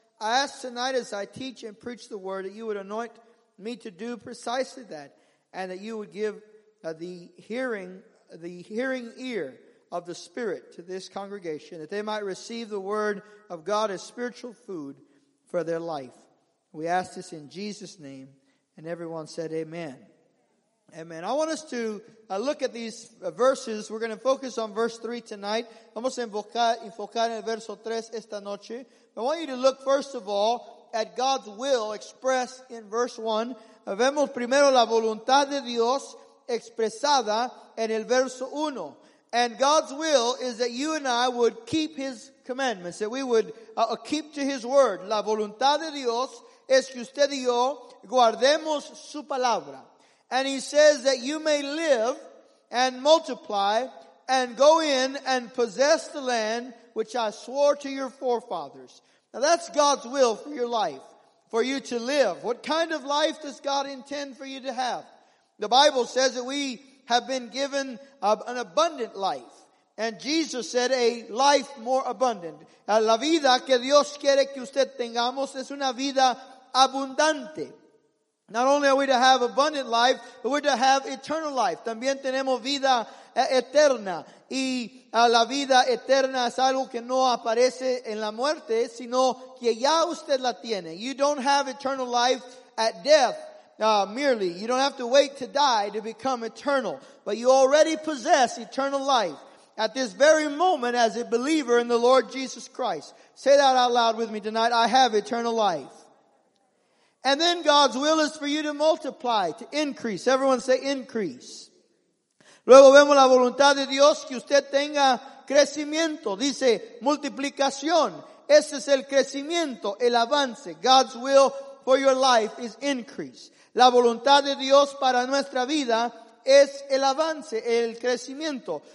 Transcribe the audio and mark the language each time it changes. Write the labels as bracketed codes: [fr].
[en] I ask tonight as I teach and preach the word that you would anoint me to do precisely that, and that you would give the hearing ear of the Spirit to this congregation, that they might receive the word of God as spiritual food for their life. We ask this in Jesus' name, and everyone said amen. Amen. I want us to look at these verses. We're going to focus on verse 3 tonight. [es] Vamos a enfocar en el verso 3 esta noche. [en] I want you to look, first of all, at God's will expressed in verse 1. [es] Vemos primero la voluntad de Dios expresada en el verso 1. [en] And God's will is that you and I would keep his commandments, that we would keep to his word. [es] La voluntad de Dios es que usted y yo guardemos su palabra. [en] And he says that you may live and multiply and go in and possess the land which I swore to your forefathers. Now that's God's will for your life, for you to live. What kind of life does God intend for you to have? The Bible says that we have been given an abundant life. And Jesus said a life more abundant. [es] La vida que Dios quiere que usted tengamos es una vida abundante. [en] Not only are we to have abundant life, but we're to have eternal life. [es] También tenemos vida eterna. Y la vida eterna es algo que no aparece en la muerte, sino que ya usted la tiene. [en] You don't have eternal life at death merely. You don't have to wait to die to become eternal. But you already possess eternal life. At this very moment, as a believer in the Lord Jesus Christ. Say that out loud with me tonight. I have eternal life. And then God's will is for you to multiply, to increase. Everyone say increase. [es] Luego vemos la voluntad de Dios que usted tenga crecimiento. Dice multiplicación. Ese es el crecimiento, el avance. [en] God's will for your life is increase. [es] La voluntad de Dios para nuestra vida es el avance, el crecimiento.